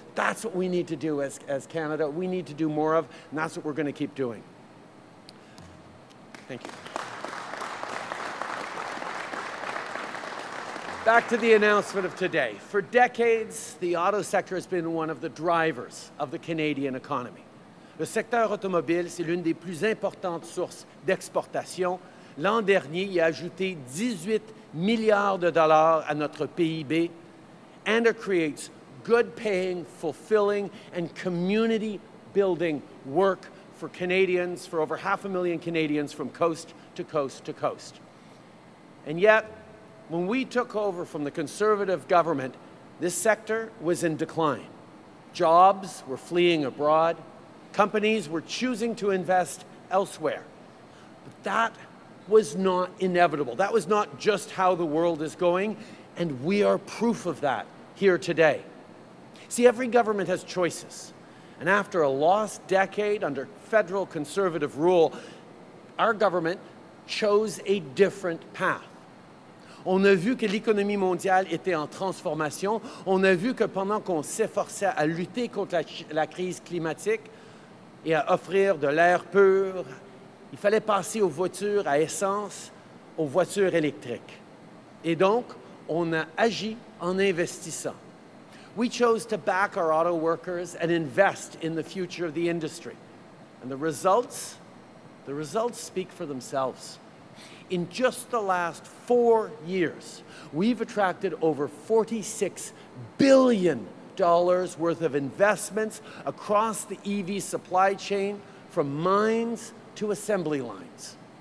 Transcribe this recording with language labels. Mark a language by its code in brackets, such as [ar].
[en] That's what we need to do as Canada. We need to do more of, and that's what we're going to keep doing. Thank you. Back to the announcement of today. For decades, the auto sector has been one of the drivers of the Canadian economy. [fr] Le secteur automobile, c'est l'une des plus importantes sources d'exportation. L'an dernier, il a ajouté 18 milliards de dollars à notre PIB, [en] and it creates good-paying, fulfilling, and community-building work for Canadians, for over 500,000 Canadians from coast to coast to coast. And yet, when we took over from the Conservative government, this sector was in decline. Jobs were fleeing abroad. Companies were choosing to invest elsewhere. But that was not inevitable. That was not just how the world is going, and we are proof of that here today. See, every government has choices. And after a lost decade under federal Conservative rule, our government chose a different path. [fr] On a vu que l'économie mondiale était en transformation. On a vu que pendant qu'on s'efforçait à lutter contre la crise climatique et à offrir de l'air pur, il fallait passer aux voitures à essence, aux voitures électriques. Et donc, on a agi en investissant. [en] We chose to back our auto workers and invest in the future of the industry. And the results speak for themselves. In just the last 4 years, we've attracted over $46 billion worth of investments across the EV supply chain, from mines to assembly lines.